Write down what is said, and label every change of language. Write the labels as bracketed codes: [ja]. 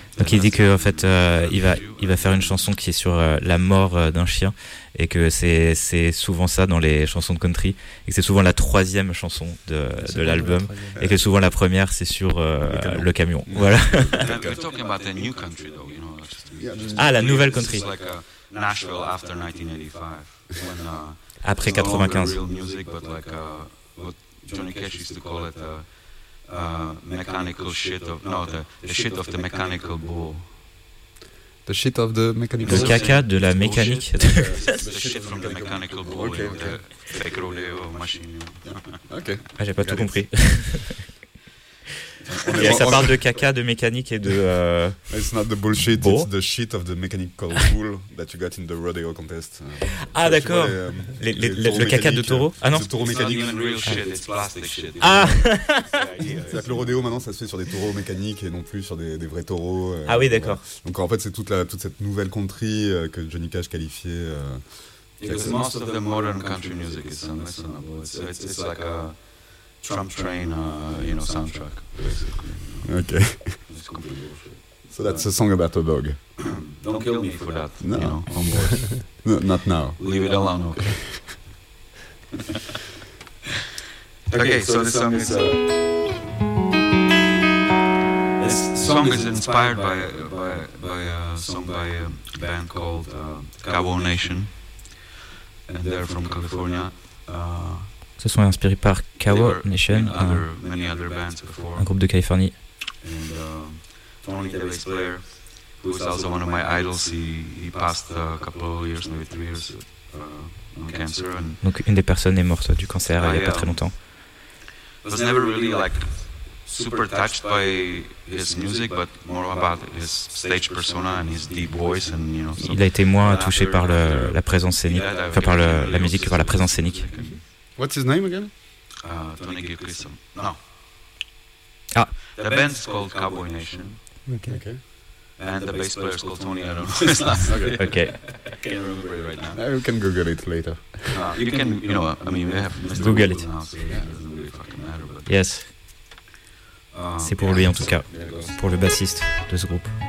[fr] donc il dit que en fait il va faire une chanson qui est sur la mort d'un chien et que c'est souvent ça dans les chansons de country et que c'est souvent la troisième chanson de l'album et que souvent la première c'est sur le camion. Voilà. [en] We're talking about the new country though, you know. [fr] Ah, la nouvelle country. [en] This is like a Nashville after 1985 when [fr] après 95. [en] Real music, but like what Johnny Cash used to call it the shit of the mechanical bull. Okay. The fake rodeo machine. Okay. [fr] Ah, j'ai pas tout compris. Et ça parle de caca, de mécanique et de. [en] It's not the bullshit. Bull? It's the shit of the mechanical bull that you got in the rodeo contest. [fr] Ah d'accord. Le caca de taureau. Ah non. Le taureau mécanique. [en] It's not even real shit. It's plastic shit. Ah. [fr] C'est-à-dire que le rodeo maintenant, ça se fait sur des taureaux mécaniques et non plus sur des vrais taureaux. Ah oui, d'accord. Voilà. Donc en fait, c'est toute cette nouvelle country que Johnny Cash qualifiait. [en] Because most of the modern country music is unlistenable. It's like a Trump train, you know, soundtrack. Okay. So that's a song about a dog. Don't kill me for that. No. You know, no, not now. Leave it alone. Okay. Okay. So this song is. This song is inspired by a song by a band called Cabo Nation, and they're from California. [fr] Ce sont inspirés par Cabo Nation, un groupe de Californie. [en] And Tony, the bass player, who was also one of my idols, he passed a couple of years, maybe 3 years, on cancer. And [fr] donc une des personnes est morte du cancer il n'y a pas très longtemps. [en] I was never really like super touched by his music, but more about his stage persona and his deep voice. And you know, so [fr] il a été moins touché par la présence scénique, enfin par la musique, par la présence scénique. [en] What's his name again? Tony Gilchrist. No. Ah. The band's called Cowboy Nation. Okay. Okay. And the bass player's called Tony. I don't know his last name. Okay. I can't remember it right now. You can Google it later. You can, you know, I mean, we have Mr. Google it. Now, so yeah. It doesn't really fucking matter. But yes. [fr] C'est pour lui en tout cas, pour le bassiste de ce groupe.